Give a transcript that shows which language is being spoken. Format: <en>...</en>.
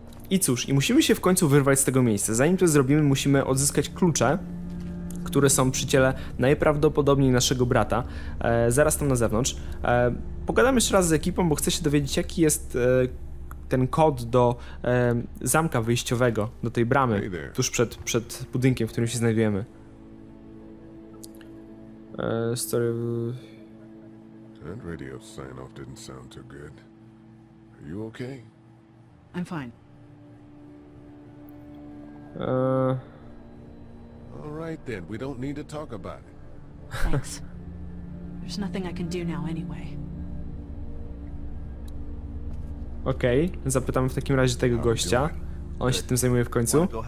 <pl>I cóż, i musimy się w końcu wyrwać z tego miejsca. Zanim to zrobimy, musimy odzyskać klucze, które są przy ciele najprawdopodobniej naszego brata, zaraz tam na zewnątrz. Pogadamy jeszcze raz z ekipą, bo chcę się dowiedzieć, jaki jest ten kod do zamka wyjściowego, do tej bramy, tuż przed budynkiem, w którym się znajdujemy.</pl> <en>That radio sign off didn't sound too good. Are you okay? I'm fine. All right then, we don't need to talk about it. Thanks. There's nothing I can do now anyway.</en> <pl>Okej, okay, zapytamy w takim razie tego gościa. On się tym zajmuje w końcu.</pl>